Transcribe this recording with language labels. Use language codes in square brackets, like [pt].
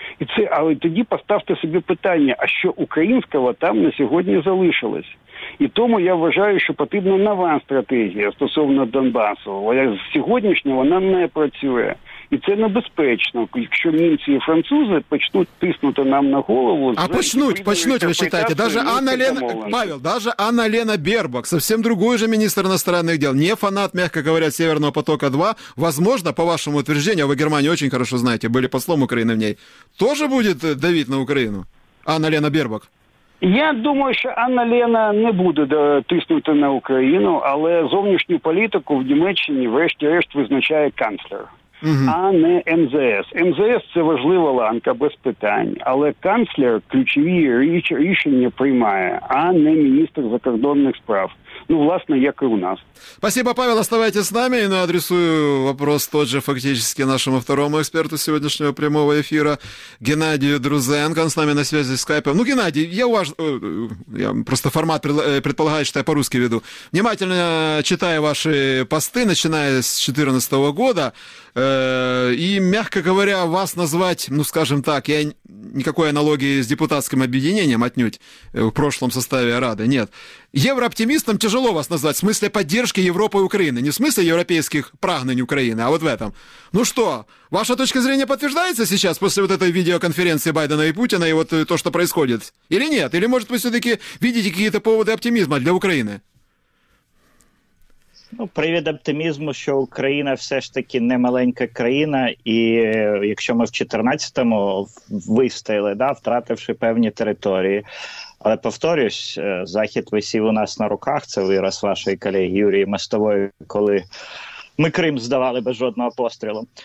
[uk] І це, але тоді поставте собі питання, а що українського там на сьогодні залишилось? І тому я вважаю, що потрібна нова стратегія стосовно Донбасу. Сьогоднішня вона не працює. І це небезпечно, якщо німці і французи почнуть тиснути нам на голову. А почнуть, ви [ru] считаете? Даже Анна Лена, Павел, даже Анна Лена Бербок, совсем другой же министр иностранных дел, не фанат, мягко говоря, «Северного потока-2», возможно, по вашему утверждению, вы Германию очень хорошо знаете, были послом Украины в ней, тоже будет давить на Украину Анна Лена Бербок? [uk] Я думаю, що Анна Лена не буде тиснути на Україну, але зовнішню політику в Німеччині врешті-решт визначає канцлер, а не МЗС. МЗС – це важлива ланка, без питань, але канцлер ключові рішення приймає, а не міністр закордонних справ. Ну, власне, як і у нас. [ru] Спасибо, Павел, оставайтесь з нами. Ну, адресую вопрос тот же фактически нашему второму эксперту сегодняшнего прямого эфира, Геннадию Друзенко. Он с нами на связи с скайпом. Ну, Геннадий, я просто формат предполагаю, что я по-русски веду. Внимательно читаю ваши посты, начиная с 2014 года. И, мягко говоря, вас назвать, ну, скажем так, я никакой аналогии с депутатским объединением отнюдь в прошлом составе Рады, нет. Еврооптимистом тяжело вас назвать, в смысле поддержки Европы и Украины, не в смысле европейских прагнений Украины, а вот в этом. Ну что, ваша точка зрения подтверждается сейчас после вот этой видеоконференции Байдена и Путина и вот то, что происходит? Или нет? Или, может, вы все-таки видите какие-то поводы оптимизма для Украины? [uk] Ну, привід оптимізму, що Україна все ж таки не маленька країна, і якщо ми в 14-му вистояли, да, втративши певні території. Але повторюсь, Захід висів у нас на руках, це вираз вашої колеги Юрії Мостової, коли ми Крим здавали без жодного пострілу.